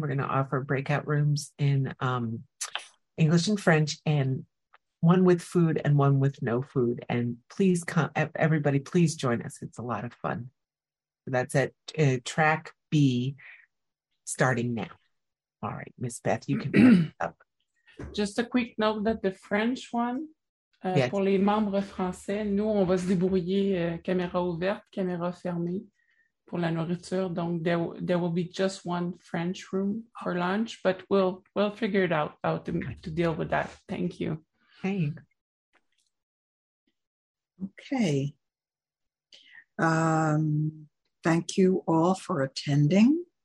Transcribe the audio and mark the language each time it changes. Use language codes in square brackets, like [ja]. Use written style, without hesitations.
[en] We're going to offer breakout rooms in English and French, and one with food and one with no food. And please come, everybody, please join us. It's a lot of fun. That's at track B, starting now. All right, Miss Beth, you can wrap up. Just a quick note that the French one, yes. [fr] Pour les membres français, nous, on va se débrouiller caméra ouverte, caméra fermée pour la nourriture. [en] Donc, there will be just one French room for lunch, but we'll figure it out how to deal with that. Thank you. Thanks. Okay. Thank you all for attending.